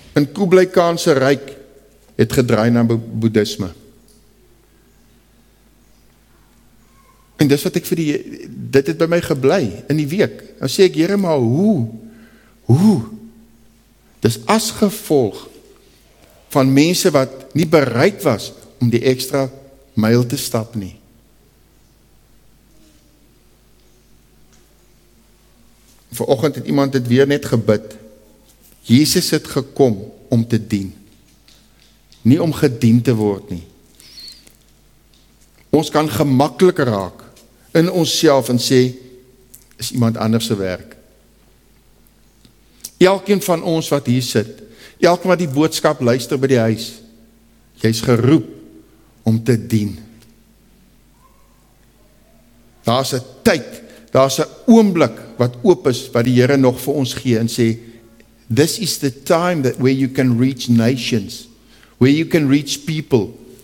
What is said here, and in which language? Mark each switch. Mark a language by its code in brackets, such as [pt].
[af] in Kublai Khan se ryk het gedraai na boeddhisme. En dis wat ek vir die, dit het by my gebly in die week. Nou sê ek, Here, maar hoe? Dis as gevolg van mense wat nie bereid was om die extra myl te stap nie. Vanoggend het iemand het weer net gebid. Jesus het gekom om te dien. Nie om gedien te word nie. Ons kan gemakkelijk raak in onsself en sê, is iemand anders se werk. Elkeen van ons wat hier sit, elkeen wat die boodskap luister by die huis, jy is geroep om te dien. Daar is 'n tyd, daar is 'n oomblik wat oop is, wat die Here nog vir ons gee en sê, [en] this is the time that where you can reach nations, where you can reach people.